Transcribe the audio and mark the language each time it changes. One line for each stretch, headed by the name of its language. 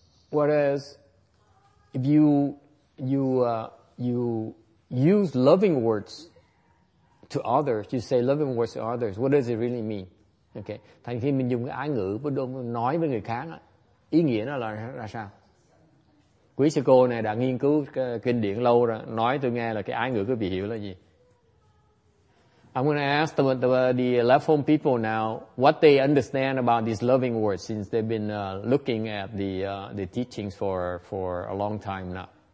English: Whereas if you use loving words to others, you say loving words to others, what does it really mean? Okay.
Vietnamese: Thành khi mình dùng cái ái ngữ nói với người khác, ý nghĩa nó là sao? Quý sư cô này đã nghiên cứu kinh điển lâu rồi, nói tôi nghe là cái ái ngữ quý vị hiểu là gì?
English: I'm going to ask the left home people now what they understand about these loving words since they've been looking at the teachings for a long time now.